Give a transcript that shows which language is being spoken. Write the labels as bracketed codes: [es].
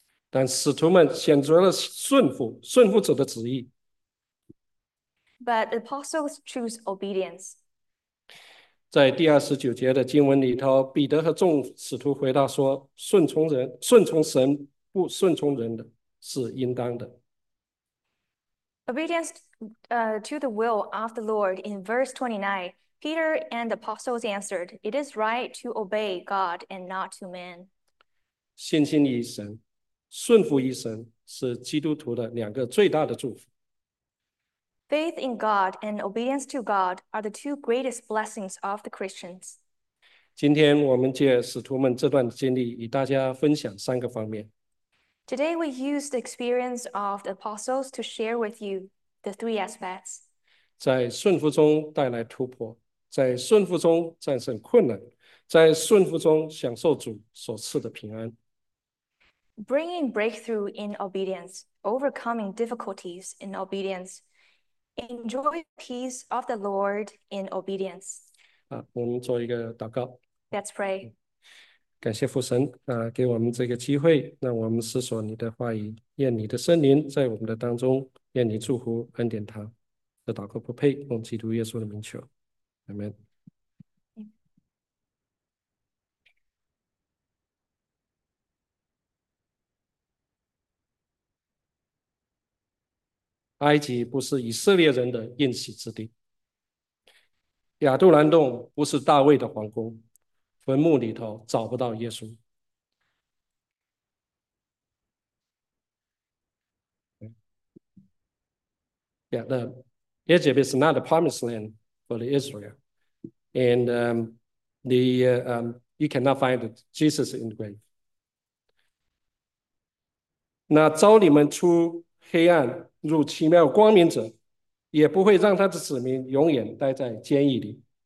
[zh] 但使徒们选择了顺服，顺服者的旨意。 [en] But apostles choose obedience. [zh] 在第二十九节的经文里头，彼得和众使徒回答说：“顺从人，顺从神，不顺从人的是应当的。” [en] Obedience to the will of the Lord. In verse 29, Peter and the apostles answered, "It is right to obey God and not to men." [zh] 信心于神。顺服于神是基督徒的两个最大的祝福。 [en] Faith in God and obedience to God are the two greatest blessings of the Christians. [zh] 今天我们借使徒们这段经历与大家分享三个方面。 [en] Today we use the experience of the apostles to share with you the three aspects. [zh] 在顺服中带来突破，在顺服中战胜困难，在顺服中享受主所赐的平安。 [en] Bringing breakthrough in obedience, overcoming difficulties in obedience, enjoy peace of the Lord in obedience. [zh] 我们做一个祷告。 [en] Let's pray. [zh] 感谢父神给我们这个机会，让我们思索你的话语。愿你的圣灵在我们的当中，愿你祝福恩典他。这祷告不配，奉基督耶稣的名求， Amen。埃及不是以色列人的应许之地，亚杜兰洞不是大卫的皇宫，坟墓里头找不到耶稣。 [en] Egypt is not a promised land for the Israel, and you cannot find Jesus in the grave. [zh] 那召你们出黑暗入奇妙光明者，也不会让他的子民永远待在监狱里。